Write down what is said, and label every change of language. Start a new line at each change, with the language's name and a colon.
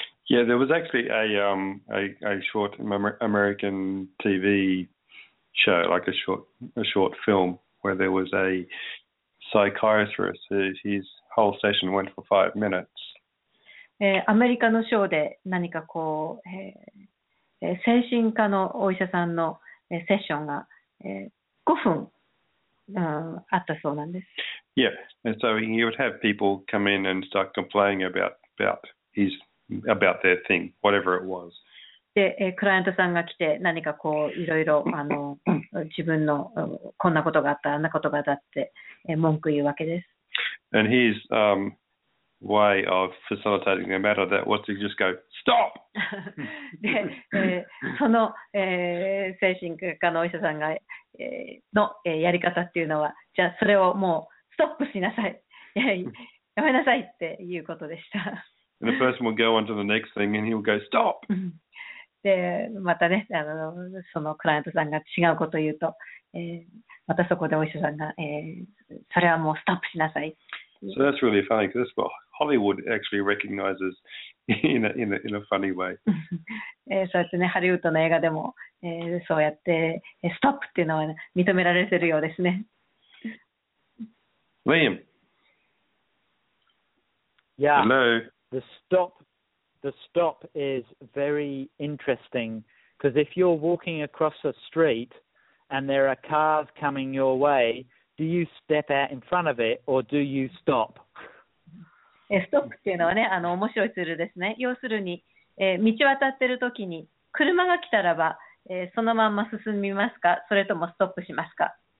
English: Yeah, there was actually a short American TV show, like a short film, where there was a psychiatrist, his whole session went for 5 minutes.
Japanese: アメリカのショーで何かこう、精神科のお医者さんの、セッションが、5分、あったそうなんです。
English: Yeah, and so he would have people come in and start complaining about their thing, whatever it was.
Japanese: で、クライアントさんが来て何かこういろいろ自分のこんなことがあった、あんなことがあったって、文句言うわけです。
English: And he's, way of facilitating the matter that was to just go stop.
Japanese: で、その、精神科のお医者さんが、の、やり方っていうのは、じゃあそれをもうストップしなさい、やめなさいっていうことでした。
English: And the person will go on to the next thing and he'll go stop.
Japanese: で、またね、そのクライアントさんが違うことを言うと、またそこでお医者さんが、それはもうストップしなさい。
English: So that's really funny because that's what Hollywood actually recognizes in a funny way.
Japanese: そうですね。ハリウッドの映画でも、そうやって、ストップっていうのは認められてるようですね。
English: Liam. Yeah. Hello. The stop is very interesting because if you're walking across a street and there are cars coming your way,Do you step out in front of it or do you stop?
Japanese: ストップっていうのはね、面白いツールですね。要するに、道渡ってるときに車が来たらば、そのまま進みますか、それともストップしますか。